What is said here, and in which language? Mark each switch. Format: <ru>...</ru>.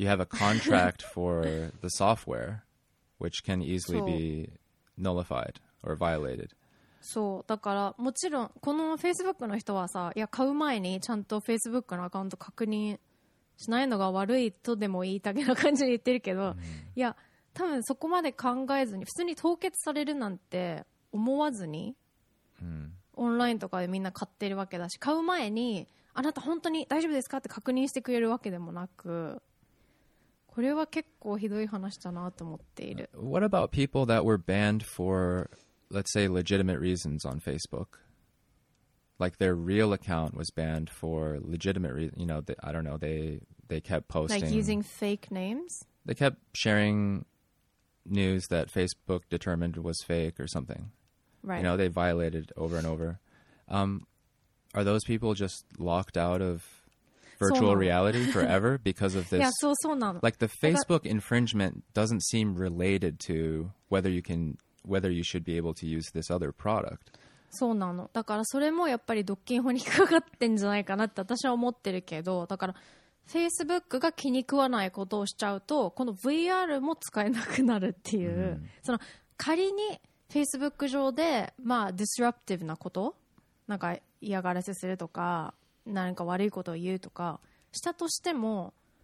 <en>You have a contract for the software, which can easily be nullified or violated.</en> <ja>そう、だからもちろんこの Facebook の人はさ、いや買う前にちゃんと Facebook のアカウント確認しないのが悪いとでも言いたげな感じで言ってるけど、いや多分そこまで考えずに普通に凍結されるなんて思わずに、オンラインとかでみんな買ってるわけだし、買う前にあなた本当に大丈夫ですかって確認してくれるわけでもなく、これは結構ひどい話だなと思っている。</ja> <en>What about people that were banned for let's say legitimate reasons on Facebook? Like their real account was banned for legitimate reasons, you know, I don't know, they kept posting, like using fake names? They kept sharing news that Facebook determined was fake or something. Right. You know, they violated over and over. Are those people just locked out of virtual reality forever because of this? Yeah, so</en> <ja>なの.</ja> <en>Like the Facebook infringement doesn't seem related to whether you should be able to use this other product.</en> <ja>そうなの。だからそれもやっぱり独禁法に引っかかってんじゃないかなって私は思ってるけど、だから Facebook が気に食わないことをしちゃうと、この VR も使えなくなるっていう、その仮に Facebook 上でまあディスラプティブなこと、なんか嫌がらせするとか何か悪いことを言うとかしたとしても、</ja>